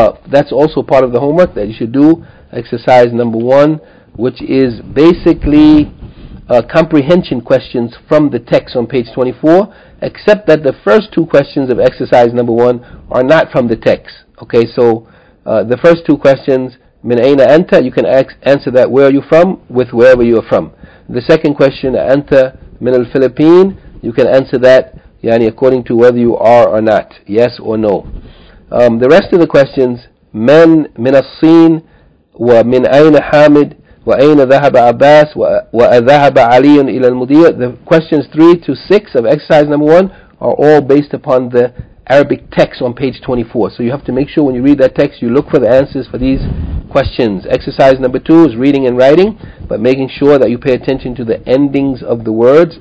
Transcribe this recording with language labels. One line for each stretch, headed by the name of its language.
English: That's also part of the homework that you should do. Exercise number 1, which is basically comprehension questions from the text on page 24, except that the first 2 questions of exercise number 1 are not from the text. Okay, so the first 2 questions
Arabic: من أين أنت,
English: you can answer that where are you from with wherever you are from. The second question,
Arabic: أنت من الفلبين,
English: you can answer that
Arabic: يعني
English: according to whether you are or not, yes or no. The rest of the questions,
Arabic: من من الصين ومن أين حامد وأين ذهب عباس وأذهب علي إلى المدير.
English: The questions 3 to 6 of exercise number 1 are all based upon the Arabic text on page 24. So you have to make sure when you read that text, you look for the answers for these questions. Exercise number 2 is reading and writing, but making sure that you pay attention to the endings of the words.